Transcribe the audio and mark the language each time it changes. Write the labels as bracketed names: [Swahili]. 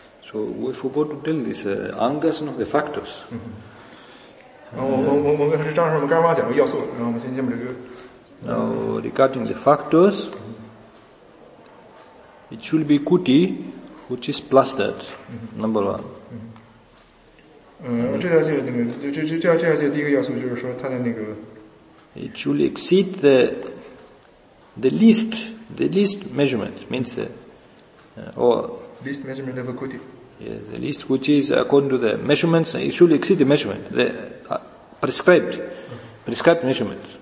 [English] So we forgot to tell this angas of the factors. Now regarding the factors, it should be kuti, which is plastered, number one. [Chinese] 这条界的第一个要素就是说它的那个 [English] It should exceed the least measurement means or least measurement of a kuti. Yeah, the least which is according to the measurements, it should exceed the measurement, the prescribed measurement.